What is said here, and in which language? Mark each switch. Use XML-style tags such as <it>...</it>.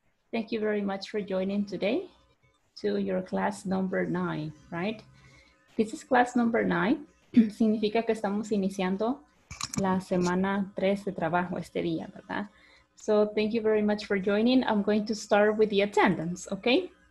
<en>Thank you very much for joining today to your class number 9, right? This is class number 9.</en> <es>Significa que estamos iniciando la semana 3 de trabajo este día, ¿verdad?</es> <en>So thank you very much for joining. I'm going to start with the attendance, okay?</en>